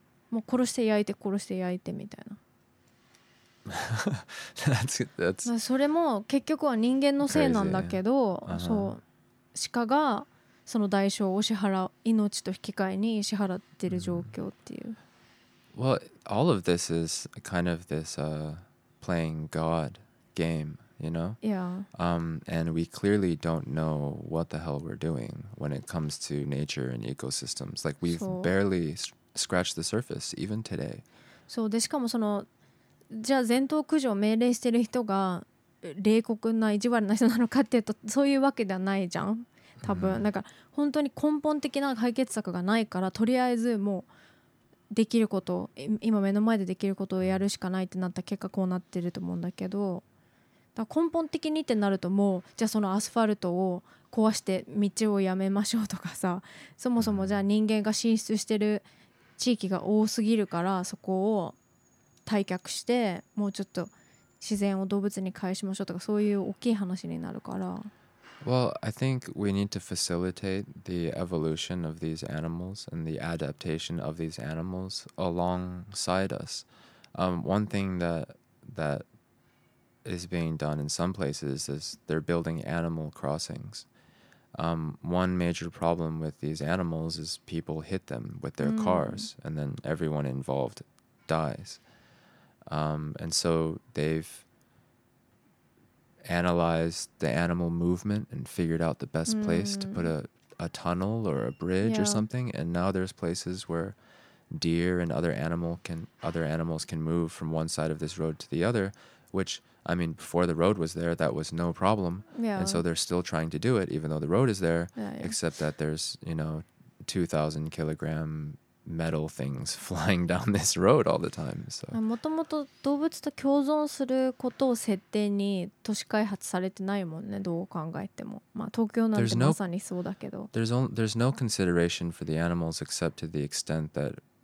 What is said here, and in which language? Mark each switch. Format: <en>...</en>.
<ja>もう殺して焼いて殺して焼いてみたいな。</ja> <en>that's</en> <ja>それも結局は人間のせいなんだけど、そう、鹿がその代償を支払う、命と引き換えに支払ってる状況っていう。</ja> <en>Well, all of this is kind of this playing God game, you know? Yeah. And we clearly don't know what the hell we're doing when it comes to nature and ecosystems. Like, we've barely scratched the surface, even today.</en> <ja>そう、で、しかもその、じゃあ全頭駆除を命令してる人が冷酷な意地悪な人なのかっていうと、そういうわけではないじゃん、多分。 Mm-hmm. なんか本当に根本的な解決策がないから、とりあえずもう、できること、今目の前でできることをやるしかないってなった結果こうなってると思うんだけど、だから根本的にってなると、もうじゃあそのアスファルトを壊して道をやめましょうとかさ、そもそもじゃあ人間が進出してる地域が多すぎるから、そこを退却してもうちょっと自然を動物に返しましょうとか、そういう大きい話になるから。</ja> <en>Well, I think we need to facilitate the evolution of these animals and the adaptation of these animals alongside us. One thing that is being done in some places is they're building animal crossings. One major problem with these animals is people hit them with their cars and then everyone involved dies. And so they've analyzed the animal movement and figured out the best place to put a tunnel or a bridge or something. And now there's places where deer and other animals can move from one side of this road to the other, which, I mean, before the road was there, that was no problem. Yeah. And so they're still trying to do it, even though the road is there, except that there's, you know, 2,000 kilogram metal things flying down this road all the time. So,</en> <ja>もともと動物と共存することを設定に都市開発されてないもんね、どう考えても。まあ、東京なんてまさにそうだけど。</ja> <en>There's no consideration for the animals except to the extent that</en>